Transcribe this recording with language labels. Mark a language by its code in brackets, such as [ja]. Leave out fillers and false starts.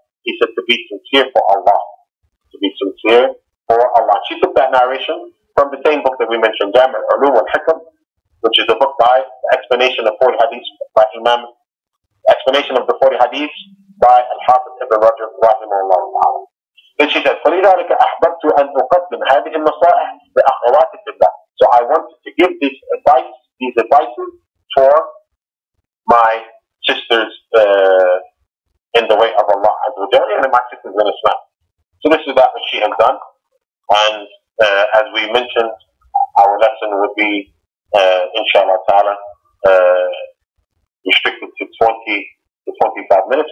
[en] He said to be sincere for Allah. To be sincere for Allah. She took that narration from the same book that we mentioned, Jamir Ulum al-Hikam, which is a book by the explanation of 40 hadiths by Imam, explanation of the 40 hadiths by Al-Hafiz Ibn Rajab, rahimahullah ta'ala. Then she said, [ar] فَلِذَلِكَ أَحْبَبْتُ أَنْ أُقَدِّمْ هَذِهِ النَّصَائِحِ لِأَخْوَاتِ اللَّهِ. [en] So I wanted to give this advice, these advices, for my sisters in the way of Allah Azza wa Jalla, and my sisters in Islam. So this is that which she has done. And as we mentioned, our lesson would be, inshallah ta'ala, restricted to 20 to 25 minutes.